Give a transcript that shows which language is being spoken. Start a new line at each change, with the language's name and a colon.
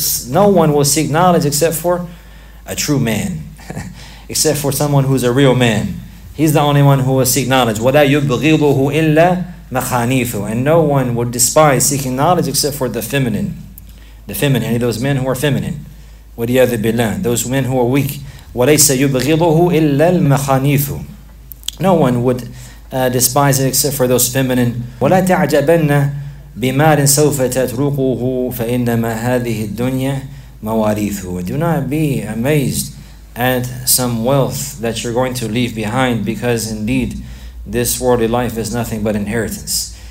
English: No one will seek knowledge except for a true man, except for someone who's a real man. He's the only one who will seek knowledge.
Arabic: ولا يبغضه إلا مخانيث.
English: And no one will despise seeking knowledge except for the feminine, any of those men who are feminine.
Arabic: وليعذ بالله,
English: those men who are weak.
Arabic: وليس يبغضه إلا المخانيث.
English: No one would despise it except for those feminine.
Arabic: وَلَا تَعْجَبَنَّ بِمَالٍ سَوْفَ تَتْرُقُهُ فَإِنَّمَا هَذِهِ الدُّنْيَا مَوَارِيثُ.
English: Do not be amazed at some wealth that you're going to leave behind, because indeed this worldly life is nothing but inheritance.